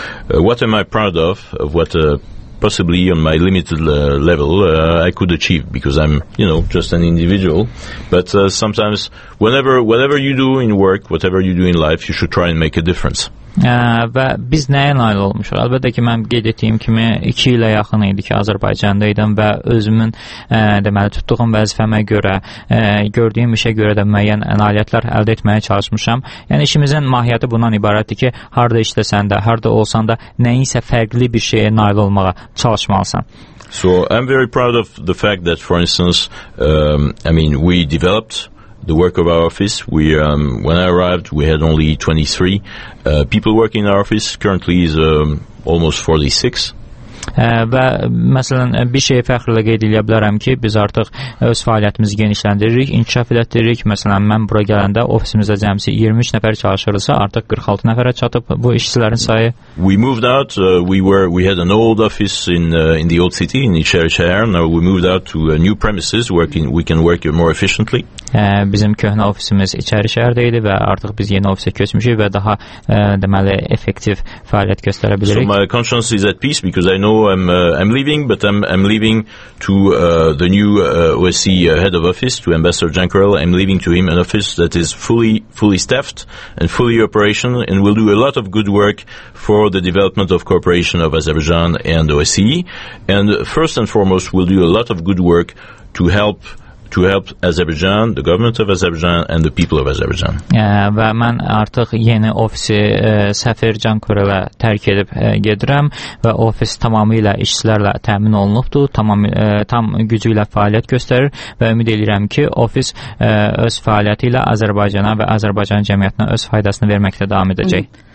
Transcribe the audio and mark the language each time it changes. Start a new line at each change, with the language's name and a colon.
English: What am I proud of what possibly on my limited level I could achieve because I'm, you know, just an individual. But sometimes whatever you do in work, whatever you do in life, you should try and make a difference.
Azerbaijani: Və biz nəyə nail olmuşuq? Əlbəttə ki, mən qeyd etdiyim kimi 2 ilə yaxın idi ki, Azərbaycanda idim və özümün deməli tutduğum vəzifəmə görə, gördüyüm işə görə də müəyyən nailiyyətlər əldə etməyə çalışmışam. Yəni işimizin mahiyyəti bundan ibarətdir ki, harda işləsən də, harda olsan da nəyisə fərqli bir şeyə nail olmağa çalışmalısan.
English: So, I'm very proud of the fact that for instance, we developed the work of our office. We when I arrived we had only 23 people working in our office. Currently is almost 46.
Azerbaijani: Və məsələn bir şey fəxrlə qeyd edə bilərəm ki, biz artıq öz fəaliyyətimizi genişləndiririk, inkişaf edətdiririk. Məsələn, mən bura gələndə ofisimizdə cəmisi 23 nəfər çalışırdısa, artıq 46 nəfərə çatıb bu işçilərin sayı.
English: We moved out. We had an old office in the old city in İçərişəhər. Now we moved out to new premises working we can work more efficiently.
Azerbaijani: Bizim köhnə ofisimiz İçərişəhərdə idi və artıq biz yeni ofisə köçmüşük və daha deməli effektiv fəaliyyət göstərə bilərik.
English: So my conscience is at peace because I know I'm leaving, but I'm leaving to the new OSC head of office, to Ambassador Jankarel. I'm leaving to him an office that is fully staffed and fully operational and will do a lot of good work for the development of cooperation of Azerbaijan and OSC. And first and foremost, we'll do a lot of good work to help Azerbaijan, the government of Azerbaijan and the people of Azerbaijan.
Azerbaijani: Və mən artıq yeni ofisi səfir Cankurelə tərk edib gedirəm və ofis tamamilə işçilərlə təmin olunubdur, tam gücü ilə fəaliyyət göstərir və ümid edirəm ki, ofis öz fəaliyyəti ilə Azərbaycana və Azərbaycan cəmiyyətinə öz faydasını verməkdə davam edəcək.